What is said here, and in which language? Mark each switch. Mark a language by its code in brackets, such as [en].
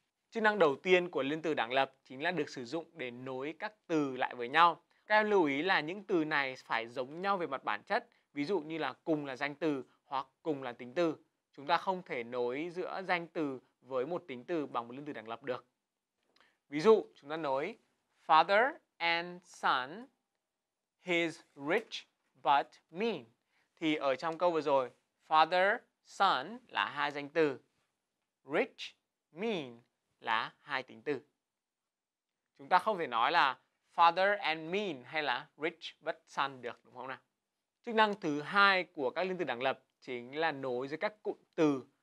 [vi] Chức năng đầu tiên của liên từ đẳng lập chính là được sử dụng để nối các từ lại với nhau. Các em lưu ý là những từ này phải giống nhau về mặt bản chất, ví dụ như là cùng là danh từ hoặc cùng là tính từ. Chúng ta không thể nối giữa danh từ với một tính từ bằng một liên từ đẳng lập được. Ví dụ, chúng ta nối [en] father and son, he's rich but mean. [vi] Thì ở trong câu vừa rồi, father, son là hai danh từ, rich, mean là hai tính từ. Chúng ta không thể nói là [en] father and mean [vi] hay là [en] rich but son [vi] được, đúng không nào? Chức năng thứ hai của các liên từ đẳng lập chính là nối giữa các cụm từ.